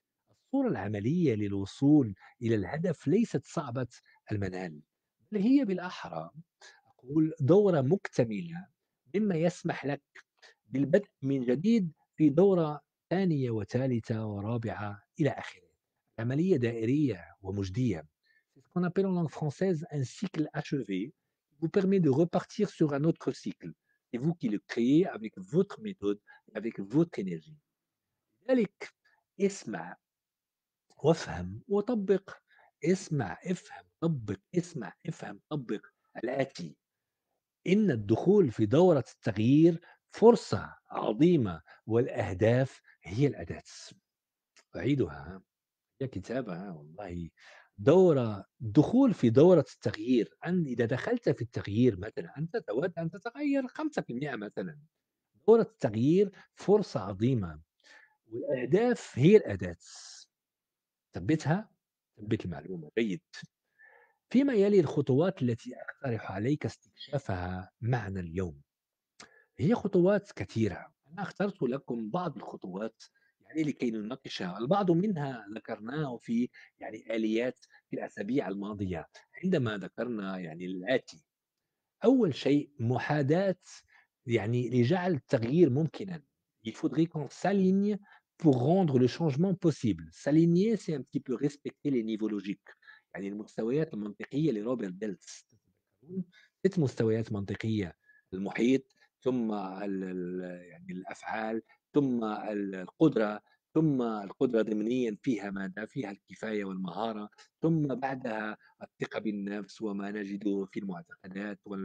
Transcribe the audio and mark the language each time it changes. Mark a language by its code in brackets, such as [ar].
[ar] الصورة العملية للوصول إلى الهدف ليست صعبة المنال، بل هي بالأحرى أقول دورة مكتملة، مما يسمح لك بالبدء من جديد في دورة ثانية وثالثة ورابعة إلى آخره. عملية دائرية ومجدية. [fr] C'est ce qu'on appelle en langue française un cycle achevé qui vous permet de repartir sur un autre cycle. C'est vous qui le créez avec votre méthode, avec votre énergie. [ar] لذلك اسمع وافهم وطبق، اسمع افهم طبق، اسمع افهم طبق الآتي: إن الدخول في دورة التغيير فرصة عظيمة، والأهداف هي الأداة. أعيدها يا كتابة، والله دورة الدخول في دورة التغيير، أن إذا دخلت في التغيير مثلا، أنت تود أن تتغير 5% مثلا، دورة التغيير فرصة عظيمة، والأهداف هي الأداة. ثبتها، ثبت المعلومة جيد. فيما يلي الخطوات التي أقترح عليك استكشافها معنا اليوم، هي خطوات كثيرة، أنا اخترت لكم بعض الخطوات يعني لكي نناقشها، البعض منها ذكرناه في يعني آليات في الأسابيع الماضية عندما ذكرنا يعني الآتي: أول شيء محاداة يعني لجعل التغيير ممكنا. [fr] Il faudrait qu'on s'aligne pour rendre le changement possible. S'aligner, c'est un petit peu respecter les niveaux logiques. [ar] يعني المستويات المنطقية لروبرت بيلتس، ست مستويات منطقية: المحيط، ثم يعني الأفعال، ثم القدرة، ثم القدرة ضمنيا فيها ماذا؟ فيها الكفاية والمهارة، ثم بعدها الثقة بالنفس وما نجده في المعتقدات